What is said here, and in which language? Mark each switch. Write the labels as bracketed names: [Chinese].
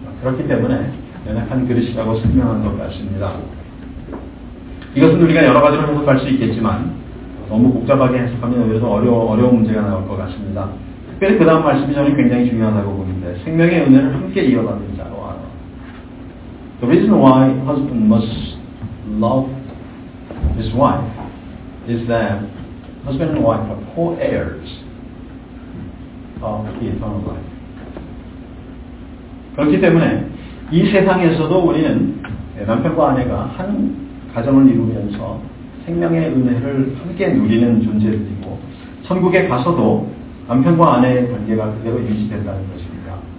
[Korean] 그렇기 때문에 연약한 그릇이라고 설명한 것 같습니다. 이것은 우리가 여러 가지로 해석할 수 있겠지만 너무 복잡하게 해석하면 오히려 더 어려운 문제가 나올 것 같습니다. 특별히 그 다음 말씀이 저는 굉장히 중요하다고 보는데 생명의 은혜를 함께 이어받는 자로 알아. [English] The reason why husband must love his wife is that husband and wife are co-heirs of the eternal life. [Korean] 그렇기 때문에 이 세상에서도 우리는 남편과 아내가 한 가정을 이루면서 생명의 은혜를 함께 누리는 존재들이고 천국에 가서도 남편과 아내의 관계가 그대로 유지된다는 것입니다.